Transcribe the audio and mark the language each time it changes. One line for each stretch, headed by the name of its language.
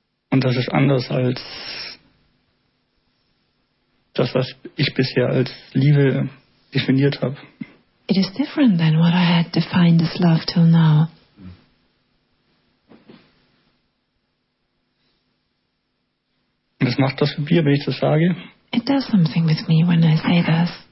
German: Und das ist anders als das, was ich bisher als Liebe definiert habe.
English: It is different than what I had defined as love till now.
German: Und das macht das mit mir, wenn ich das sage.
English: It does something with me when I say this.